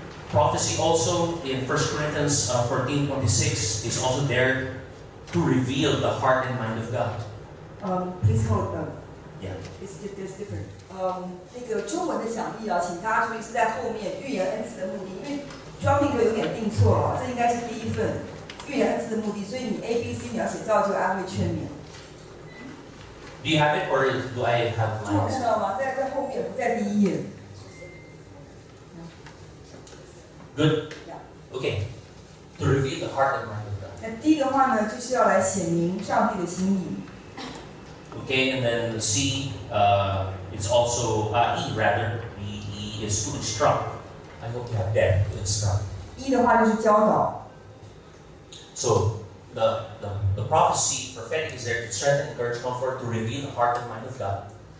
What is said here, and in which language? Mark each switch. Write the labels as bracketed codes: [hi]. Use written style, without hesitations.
[en] Prophecy also in 1 Corinthians 14:26 is also there to reveal the heart and mind of God. Please hold on. Yeah. It's different. [zh] 那个中文的讲义啊，请大家注意是在后面预言恩赐的目的，因为装那个有点定错了，这应该是第一份。 [en] Do you have it or do I have mine? Good? Yeah. Okay. To reveal the heart and mind of God. [zh] 那第一个话呢, 就是要来显明上帝的心意。 [en] Okay, and then C, it's also E rather. E is to instruct. I hope you have that to instruct. [zh] E的话就是教导。 [en] So the prophecy, prophetic is there to strengthen, encourage, comfort, to reveal the heart and mind of God.